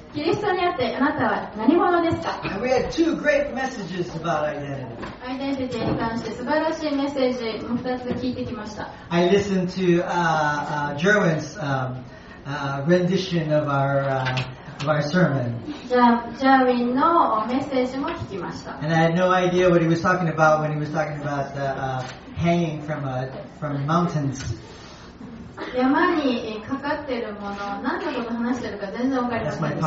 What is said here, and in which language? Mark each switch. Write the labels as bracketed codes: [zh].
[ja] キリストにあってあなたは何者ですか? [en] We had two great messages about identity. [ja] アイデンティティに関して素晴らしいメッセージを2つ聞いてきました。 [en] I listened to Jerwin's rendition of our sermon. [ja] ジャーウィンのメッセージも聞きました。 [en] And I had no idea what he was talking about when he was talking about the, hanging from mountains. [ja] 山にかかっているもの、何のこと話してるか全然わかりませんでした。